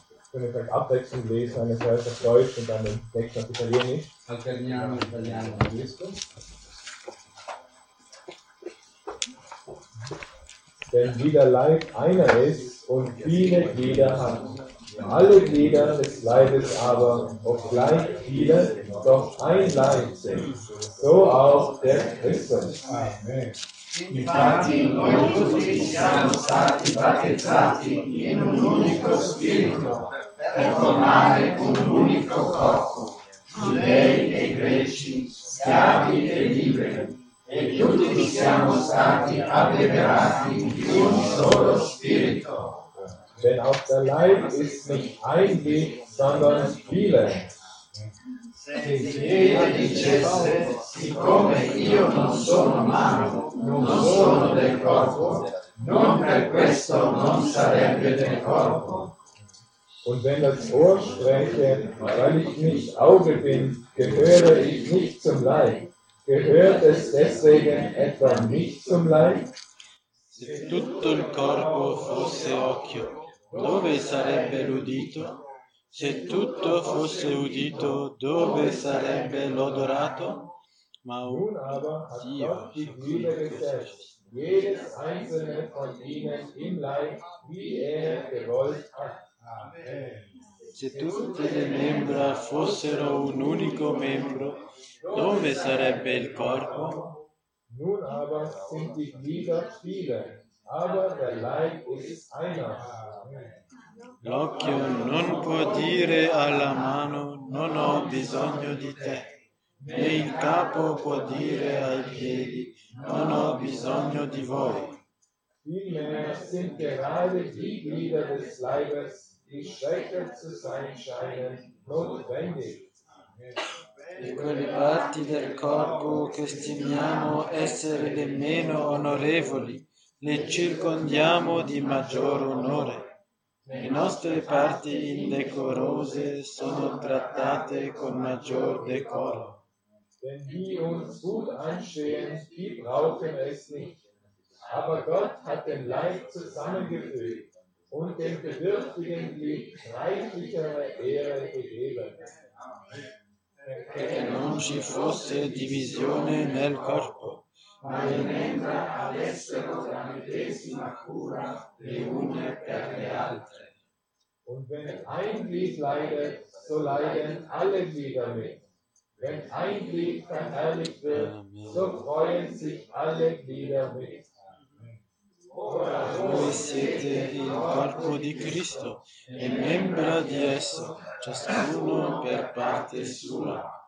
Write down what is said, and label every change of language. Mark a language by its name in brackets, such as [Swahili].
[German] Können wir vielleicht abwechselnd lesen, eine Verse auf Deutsch und dann den Text auf Italienisch. [Italian] Alterniamo italiano in tedesco. [German] Denn wie der Leib einer ist und viele Glieder hat, alle Glieder des Leibes aber, obgleich viele, doch ein Leib sind, so auch der Christus. Amen. [Italian] Infatti, noi tutti siamo stati battezzati in un unico spirito, per formare un unico corpo, giudei e greci, schiavi e liberi. E tutti siamo stati abbeverati in un solo spirito. [German] Denn auch der Leib ist nicht ein Glied, sondern viele. [Italian] Se jeder dicesse, siccome io non sono mano, non sono del corpo, non per questo non sarebbe del corpo. [German] Und wenn das Ohr spreche, weil ich nicht Auge bin, gehöre ich nicht zum Leib. Gehört es deswegen etwa nicht zum Leib? [Italian] Se tutto il corpo fosse occhio, dove sarebbe l'udito? Se tutto fosse udito, dove sarebbe l'odorato? Ma un Dio seguire [German] jedes einzelne von ihnen im Leib, wie gewollt hat. Amen. [Italian] Se tutte le membra fossero un unico membro, dove sarebbe il corpo? [German] Nun aber sind die Glieder viele, aber der Leib ist einer. [Italian] L'occhio non può dire alla mano, non ho bisogno di te, né il capo può dire ai piedi, non ho bisogno di voi. [German] Vielmehr sind gerade die Glieder des Leibes, die Schwäche zu sein scheinen, notwendig. [Italian] E quelle parti del corpo che stimiamo essere le meno onorevoli, le circondiamo di maggior onore. Le nostre parti indecorose sono trattate con maggior decoro. [German] Denn die uns gut anstehen, die brauchen es nicht. Aber Gott hat den Leib zusammengefügt und dem Bedürftigen die reichlichere Ehre gegeben. [Italian] Che non ci fosse divisione nel corpo, ma le membra avessero la medesima cura le une per le altre. [German] Und wenn ein Glied leidet, so leiden alle Glieder mit. Wenn ein Glied verherrlicht wird, so freuen sich alle Glieder mit. [Italian] Ora voi siete il corpo di Cristo e membra di esso, ciascuno per parte sua.